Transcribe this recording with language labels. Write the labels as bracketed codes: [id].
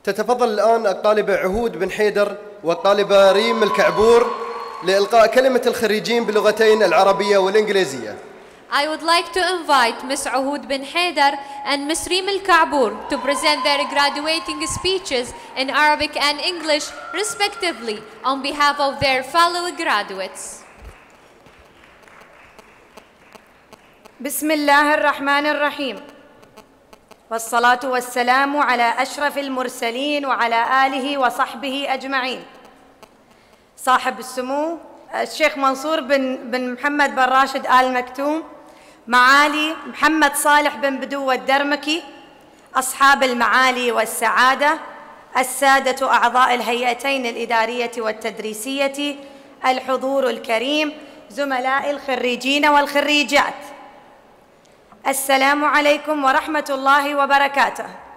[ar] تتفضل الآن الطالبة عهود بن حيدر والطالبة ريم الكعبور لإلقاء كلمة الخريجين باللغتين العربية والإنجليزية. [en] I would like to invite Ms. Ahud bin Haider and Ms. Reem Al-Kaabour to present their graduating speeches in Arabic and English, respectively, on behalf of their fellow graduates. [ar] بسم الله الرحمن الرحيم والصلاة والسلام على أشرف المرسلين وعلى آله وصحبه أجمعين. صاحب السمو الشيخ منصور بن محمد بن راشد آل مكتوم، معالي محمد صالح بن بدو الدرمكي، أصحاب المعالي والسعادة، السادة أعضاء الهيئتين الإدارية والتدريسية، الحضور الكريم، زملاء الخريجين والخريجات، السلام عليكم ورحمة الله وبركاته.